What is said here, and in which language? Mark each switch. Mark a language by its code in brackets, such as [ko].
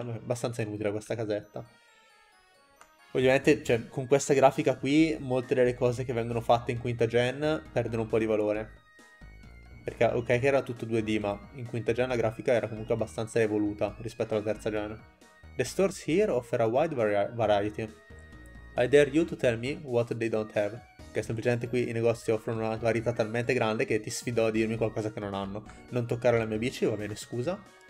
[it] Abbastanza inutile questa casetta. Ovviamente, cioè, con questa grafica qui, molte delle cose che vengono fatte in quinta gen perdono un po' di valore. Perché, ok, che era tutto 2D, ma in quinta gen la grafica era comunque abbastanza evoluta rispetto alla terza gen. [en] The stores here offer a wide variety. I dare you to tell me what they don't have. [it] Che semplicemente qui i negozi offrono una varietà talmente grande che ti sfido a dirmi qualcosa che non hanno. Non toccare la mia bici, va bene, scusa.